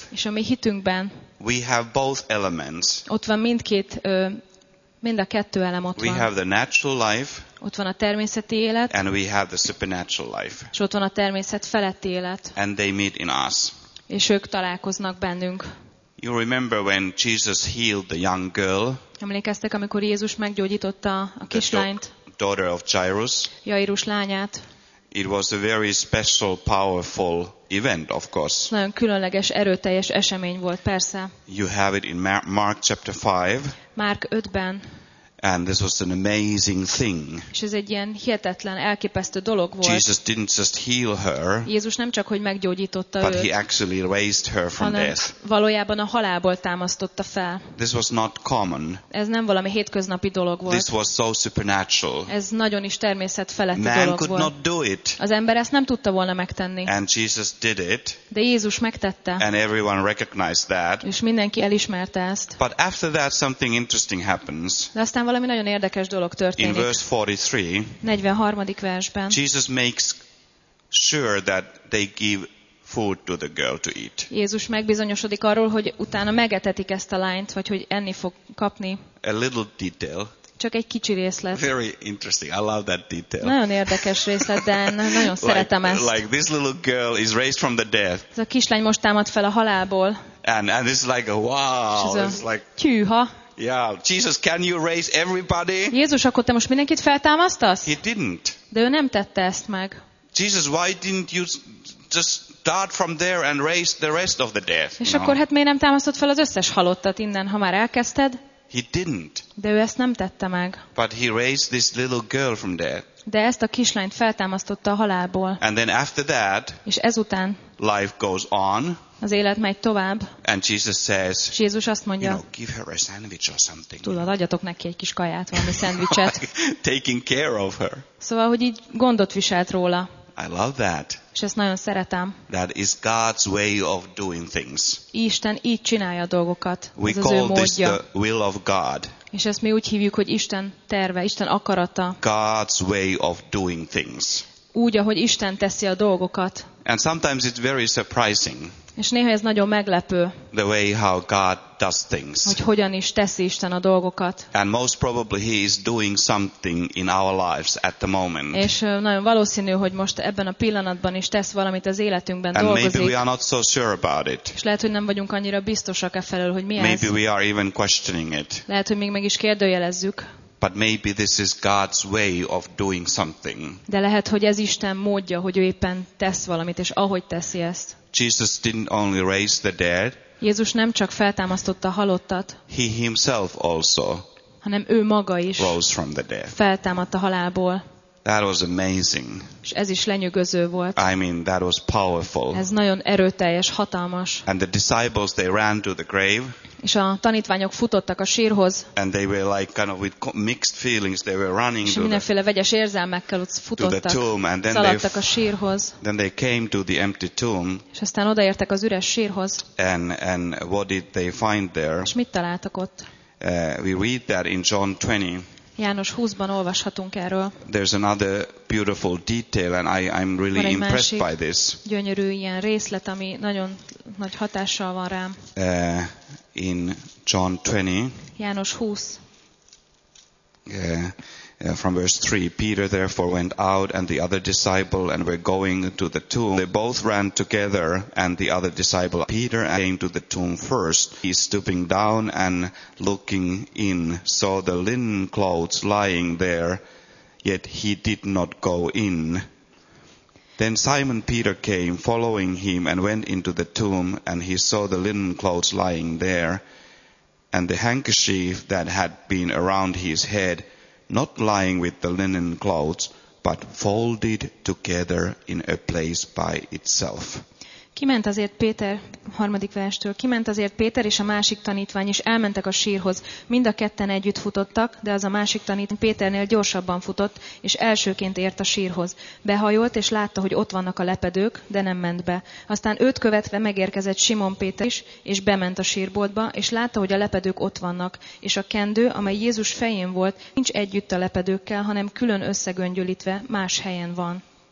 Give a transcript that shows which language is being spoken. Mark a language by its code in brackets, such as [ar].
[hu] és a mi hitünkben [en] we have both elements. [hu] Ott van mindkét, mind a kettő elem ott [en] we [hu] van. [en] We have the natural life. [hu] Ott van a természeti élet. [en] And we have the supernatural life. [hu] És ott van a természet feletti élet. [en] And they meet in us. [hu] És ők találkoznak bennünk. [en] You remember when Jesus healed the young girl? [hu] Emlékeztek, amikor Jézus meggyógyította a kislányt? [en] Daughter of Jairus. [hu] Jairus lányát. [en] It was a very special, powerful event, of course. [hu] Nagyon különleges, erőteljes esemény volt, persze. [en] You have it in Mark chapter 5. [hu] Márk 5-ben. [en] And this was an amazing thing. [hu] És ez egy ilyen hihetetlen, elképesztő dolog volt. [en] Jesus didn't just heal her. [hu] Jézus nem csak hogy meggyógyította őt. [en] But he actually raised her from death. [hu] Valójában a halálból támasztotta fel. [en] This was not common. [hu] Ez nem valami hétköznapi dolog volt. [en] This was so supernatural. [hu] Ez nagyon is természet feletti [en] Man [hu] dolog [en] could [hu] volt. [en] Not do it. [hu] Az ember ezt nem tudta volna megtenni. [en] And Jesus did it. [hu] De Jézus megtette. [en] And everyone recognized that. [hu] És mindenki elismerte ezt. [en] But after that something interesting happens. [hu] Valami nagyon érdekes dolog történik. [en] In verse 43, [hu] 43. versben. [en] Jesus makes sure that they give food to the girl to eat. [hu] Jézus megbizonyosodik arról, hogy utána megetetik ezt a lányt, vagy hogy enni fog kapni. [en] A little detail. [hu] Csak egy kicsi részlet. [en] Very interesting. I love that detail. [hu] Nagyon érdekes részlet, de nagyon szeretem [en] like, [hu] ezt. [en] Like this little girl is raised from the dead. [hu] Ez a kislány most támad fel a halálból. [en] And it's like a wow. It's like [hu] tyúha. [en] Yeah, Jesus, can you raise everybody? [hu] Jézus, akkor te most mindenkit feltámasztasz? [en] He didn't. [hu] De ő nem tette ezt meg. [en] Jesus, why didn't you just start from there and raise the rest of the dead? [hu] És akkor hát miért nem támasztott fel az összes halottat innen, ha már elkezdted? [en] He didn't. [hu] De ő ezt nem tette meg. [en] But he raised this little girl from death. [hu] De ezt a kislányt feltámasztotta a halálból. [en] And then after that, [hu] és ezután [en] life goes on. [hu] Az élet megy tovább. [en] And Jesus says, [hu] és Jézus azt mondja, [en] you know, give her a sandwich or something. [hu] Tudod, adjatok neki egy kis kaját, valami szendvicset. [en] Taking care of her. [hu] Szóval, hogy így gondot viselt róla. [en] I love that. [hu] És ezt nagyon szeretem. [en] That is God's way of doing things. [hu] Isten így csinálja a dolgokat. [en] We [hu] ez az [en] call [hu] ő módja. [en] This the will of God. [hu] És ezt mi úgy hívjuk, hogy Isten terve, Isten akarata. [en] God's way of doing things. [hu] Úgy, ahogy Isten teszi a dolgokat. [en] And sometimes it's very surprising. [hu] És néha ez nagyon meglepő. [en] The way how God does things. [hu] Hogy hogyan is teszi Isten a dolgokat. [en] And most probably he is doing something in our lives at the moment. [hu] És nagyon valószínű, hogy most ebben a pillanatban is tesz valamit az életünkben [en] and [hu] dolgozik. [en] Maybe we are not so sure about it. [hu] És lehet, hogy nem vagyunk annyira biztosak e felől, hogy mi ez. [en] Maybe we are even questioning it. [hu] Lehet, hogy még meg is kérdőjelezzük. [en] But maybe this is God's way of doing something. [hu] De lehet, hogy ez Isten módja, hogy ő éppen tesz valamit, és ahogy teszi ezt. [en] Jesus didn't only raise the dead. [hu] Jézus nem csak feltámasztotta a halottat. [en] He himself also. [hu] Hanem ő maga is. [en] Rose from the dead. [hu] Feltámadt a halálból. [en] That was amazing. [hu] És ez is lenyűgöző volt. [en] I mean, that was powerful. [hu] Ez nagyon erőteljes, hatalmas. [en] And the disciples they ran to the grave. [hu] És a tanítványok futottak a sírhoz. [en] And they were like kind of with mixed feelings they were running. [hu] És mindenféle vegyes érzelmekkel ott futottak. [en] To the tomb and then [hu] szaladtak a sírhoz. [en] Then they came to the empty tomb. [hu] És aztán odaértek az üres sírhoz. [en] And what did they find there? [hu] És mit találtak ott? [en] We read that in John 20. [hu] János 20-ban olvashatunk erről. [en] There's another beautiful detail, and I'm really impressed by this. [hu] Gyönyörű ilyen részlet, ami nagyon nagy hatással van rám. [en] In John 20. [hu] János 20. [en] From verse 3, Peter therefore went out, and the other disciple, and were going to the tomb. They both ran together, and the other disciple, Peter, came to the tomb first. He, stooping down and looking in, saw the linen clothes lying there, yet he did not go in. Then Simon Peter came, following him, and went into the tomb, and he saw the linen clothes lying there, and the handkerchief that had been around his head, not lying with the linen clothes, but folded together in a place by itself. [hu] Kiment azért Péter, harmadik verstől, kiment azért Péter és a másik tanítvány, és elmentek a sírhoz. Mind a ketten együtt futottak, de az a másik tanítvány Péternél gyorsabban futott, és elsőként ért a sírhoz. Behajolt, és látta, hogy ott vannak a lepedők, de nem ment be. Aztán őt követve megérkezett Simon Péter is, és bement a sírboltba, és látta, hogy a lepedők ott vannak, és a kendő, amely Jézus fején volt, nincs együtt a lepedőkkel, hanem külön összegöngyölítve más helyen van.